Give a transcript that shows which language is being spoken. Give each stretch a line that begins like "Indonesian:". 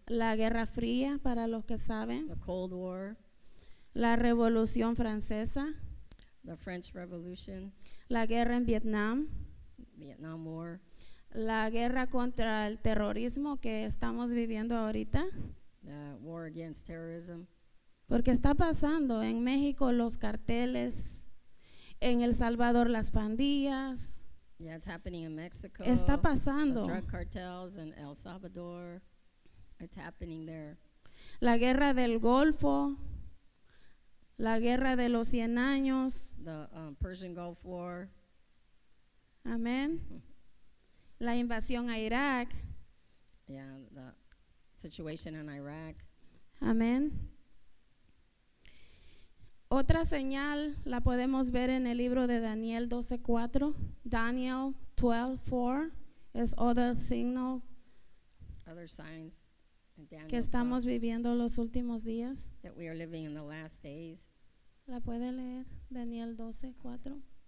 Spanish: La Guerra Fría, para los que saben.
English: The Cold War.
Spanish: La Revolución Francesa.
English: The French Revolution.
Spanish: La Guerra en Vietnam.
English: Vietnam War.
Spanish: La guerra contra el terrorismo que estamos viviendo ahorita.
English: The war against terrorism.
Spanish: Porque está pasando en México los carteles, en El Salvador las pandillas.
English: Yeah, it's happening in Mexico.
Spanish: Está pasando.
English: The drug cartels in El Salvador. It's happening there.
Spanish: La guerra del Golfo. La guerra de los 100 años.
English: The Persian Gulf War.
Spanish: Amén. La invasión a Irak.
English: Yeah, the situation in Iraq.
Spanish: Amén. Otra señal la podemos ver en el libro de Daniel 12:4.
English: Daniel 12:4 is other signal. Other signs.
Spanish: Que estamos viviendo los últimos días.
English: That we are living in the last days.
Spanish: La puede leer, Daniel 12:4.